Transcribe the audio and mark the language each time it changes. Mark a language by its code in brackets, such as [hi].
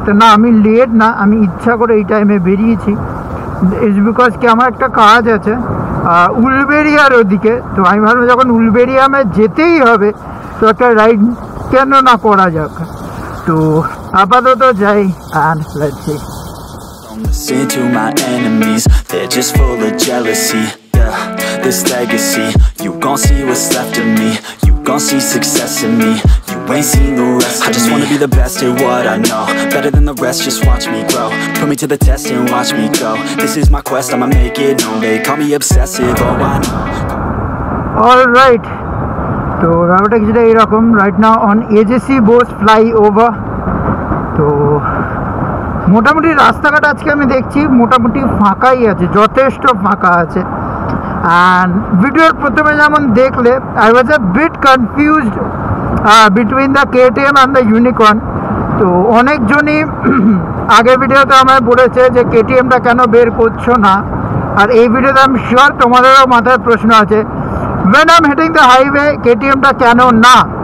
[bn] তো না আমি লেট না, আমি ইচ্ছা করে এই টাইমে বেরিয়েছি, ইজ বিকজ কি আমার একটা কাজ আছে উলবেড়িয়ার ওদিকে। তো আমি ভাবলাম যখন উলবেড়িয়ামে যেতেই হবে তো একটা রাইড কেন না করা যাক। তো আপাতত যাই আর [en] Let's see. See to my enemies, they're just full of jealousy. Yeah, this legacy, you gon' see what's left of me. You gon' see success in me, you ain't seen the rest of me. I just wanna be the best at what I know. Better than the rest, just watch me grow. Put me to the test and watch me go. This is my quest, I'ma make it known. They call me obsessive, oh I know. Alright, so Ravatek is today, Rakum. Right now on AJC Bose Flyover. [bn] So মোটামুটি রাস্তাঘাট আজকে আমি দেখছি মোটামুটি ফাঁকাই আছে, যথেষ্ট ফাঁকা আছে। অ্যান্ড ভিডিওর প্রথমে যেমন দেখলে [en] I was a bit confused between the KTM and the unicorn. [bn] তো অনেকজনই আগের ভিডিওতে আমায় বলেছে যে KTMটা কেন বের করছো না, আর এই ভিডিওতে আমি শিওর তোমাদেরও মাথায় প্রশ্ন আছে [en] when I am hitting the highway [bn] KTMটা কেন না।